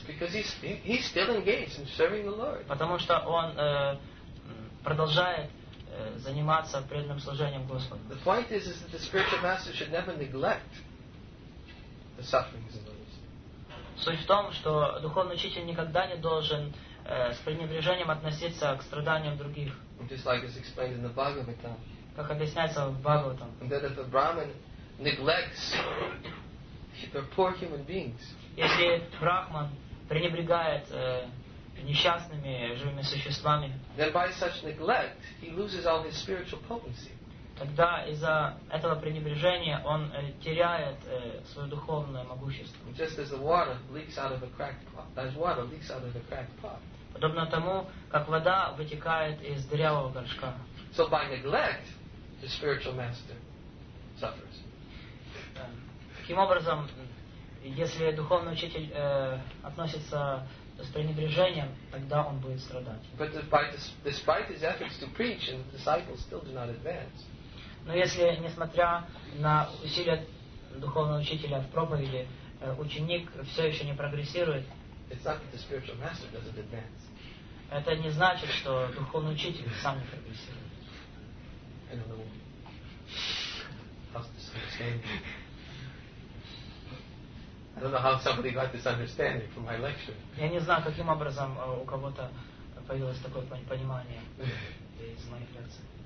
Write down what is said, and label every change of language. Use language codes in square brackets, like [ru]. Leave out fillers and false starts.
[en] Because he's still engaged in serving the Lord. [ru] Потому что он продолжает заниматься преданным служением Господу. [en] The point is that the spiritual master should never neglect the sufferings of the Lord. [ru] Суть в том, что духовный учитель никогда не должен с пренебрежением относиться к страданиям других. [en] Just like it's explained in the Bhagavatam. [ru] Как объясняется в Бхагаватам. [en] And that if a Brahmin neglects the poor human beings. [ru] Если Брахман пренебрегает несчастными живыми существами, [en] then by such neglect he loses all his spiritual potency. [ru] Тогда из-за этого пренебрежения он теряет свое духовное могущество. [en] Just as the water leaks out of a cracked pot. As water leaks out of a cracked pot. [ru] Подобно тому, как вода вытекает из дырявого горшка. [en] So by neglect, the spiritual master suffers. [ru] Таким образом, если духовный учитель относится с пренебрежением, тогда он будет страдать. [en] But despite his efforts to preach, and the disciples still do not advance. [ru] Но если, несмотря на усилия духовного учителя в проповеди, ученик все еще не прогрессирует, [en] it's not that the spiritual master doesn't advance. [ru] Это не значит, что духовный учитель сам не прогрессирует. Я не знаю, каким образом у кого-то появилось такое понимание из моих лекций.